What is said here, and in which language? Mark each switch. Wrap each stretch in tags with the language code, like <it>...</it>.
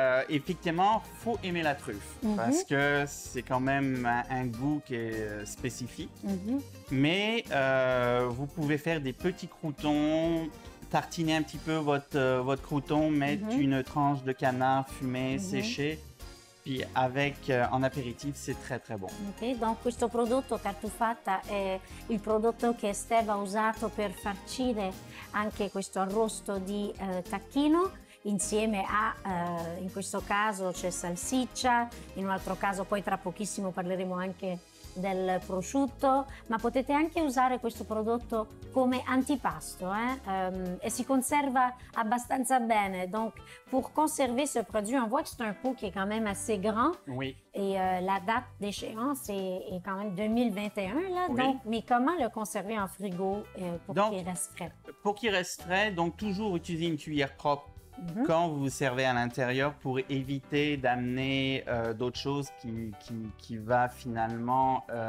<fr>Effectivement, faut aimer la truffe parce que c'est quand même un goût qui est spécifique. Mais vous pouvez faire des petits croûtons, tartiner un petit peu votre crouton, mettre une tranche de canard fumé, séché. Puis avec en apéritif, c'est très très bon.</fr> <it>Ok, donc questo prodotto tartufata è il prodotto che Steve ha usato per farcire anche questo arrosto di tacchino insieme a in questo caso c'è salsiccia, in un altro caso poi tra pochissimo parleremo anche del prosciutto, ma potete anche usare questo prodotto come antipasto e si conserva abbastanza bene.</it> <fr>Donc pour conserver ce produit, on voit que c'est un pot qui est quand même assez grand. Oui. Et la date d'échéance est quand même 2021 là. Oui. Donc, mais comment le conserver en frigo pour qu'il reste frais? Pour qu'il reste frais, donc toujours utiliser une cuillère propre quand vous vous servez à l'intérieur pour éviter d'amener d'autres choses qui va finalement</fr>